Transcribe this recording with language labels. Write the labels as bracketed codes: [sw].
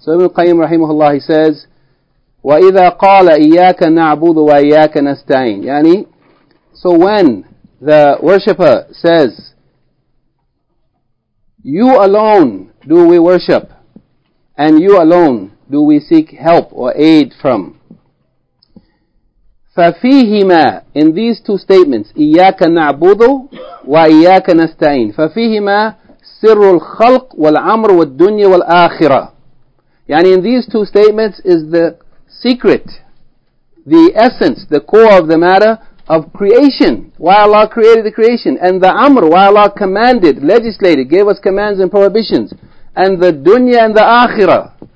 [en] So Ibn Qayyim, rahimahullah, he says, [ar] وَإِذَا قَالَ إِيَّاكَ نَعْبُدُ وَإِيَّاكَ نَسْتَعِينَ. [en] Yani, so when the worshipper says, you alone do we worship, and you alone do we seek help or aid from. [ar] فَفِيهِمَا, [en] in these two statements, [ar] إِيَّاكَ نَعْبُدُ وَإِيَّاكَ نَسْتَعِينَ, فَفِيهِمَا سِرُّ الْخَلْقِ وَالْعَمْرُ وَالدُّنْيَا وَالْآخِرَةِ. [en] Yani in these two statements is the secret, the essence, the core of the matter of creation, why Allah created the creation, and the amr, why Allah commanded, legislated, gave us commands and prohibitions, and the dunya and the akhirah,